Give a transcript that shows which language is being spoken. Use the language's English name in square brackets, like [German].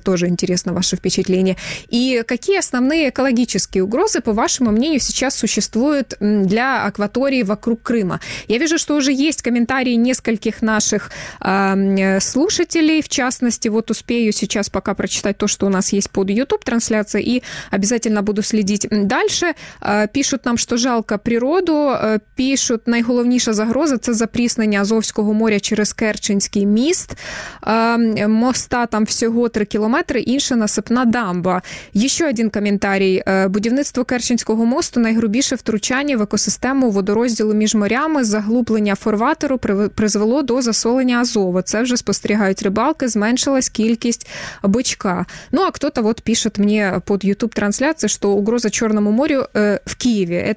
[Russian] Тоже интересно ваше впечатление. И какие основные экологические угрозы, по вашему мнению, сейчас существуют для акватории вокруг Крыма? Я вижу, что уже есть комментарии нескольких наших слушателей. В частности, вот успею сейчас пока прочитать то, что у нас есть под YouTube-трансляцией, и обязательно буду следить дальше. Пишут нам, что жалко природу. [Ukrainian] Пишут, найголовніша загроза – це запріснення Азовського моря через Керченський міст. Моста там всього 3 кілометри, інша насипна дамба. Ще один коментарій. Будівництво Керченського мосту – найгрубіше втручання в екосистему водорозділу між морями. Заглублення фарватеру призвело до засолення Азова. Це вже спостерігають рибалки, зменшилась кількість бичка. Ну, а хтось вот пишет мені під YouTube-трансляцією, що угроза Чорному морю в Києві.